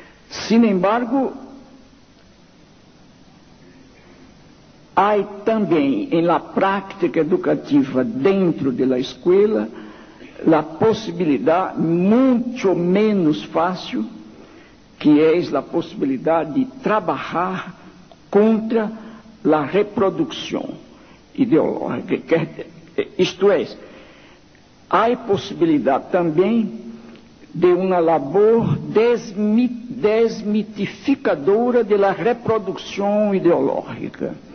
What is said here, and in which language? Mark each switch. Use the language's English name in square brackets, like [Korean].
[Spanish] Sin embargo, hay también en la práctica educativa dentro de la escuela la posibilidad mucho menos fácil [Portuguese] que é a possibilidade de trabalhar contra a reprodução ideológica. Isto é, há possibilidade também de uma labor [Spanish] desmitificadora de la reproducción ideológica.